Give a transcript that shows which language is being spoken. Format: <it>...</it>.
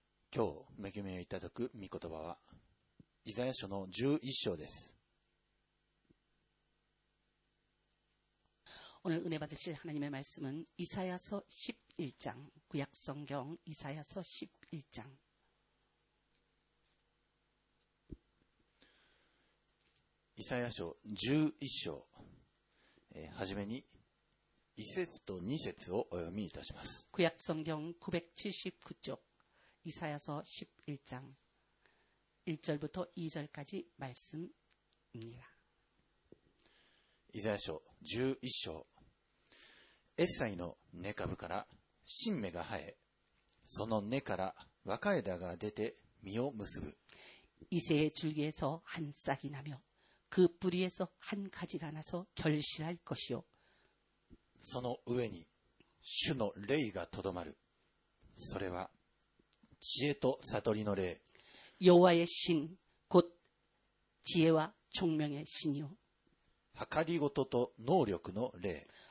<ja>今日恵みをいただく御言葉はイザヤ書の11章です。</ja> <ko>오늘은혜받으실하나님의말씀은이사야서11장구약성경이사야서11장 이사야서11장</ko> <ja>はじめに1節と2節をお読みいたします。</ja> <ko>구약성경979쪽이사야서11장1절부터2절까지말씀입니다 이사야서11장</ko> <ja>エッサイの根株から新芽が生え、その根から若枝が出て実を結ぶ。</ja> <ko>이새의줄기에서한싹이나며、그뿌리에서한가지가나서결실할것이요。</ko> <ja>その上に主の霊がとどまる。それは知恵と悟りの霊。</ja> <ko>여호와의신、곧지혜와총명의신이요。</ko> <ja>計りごとと能力の霊。</ja>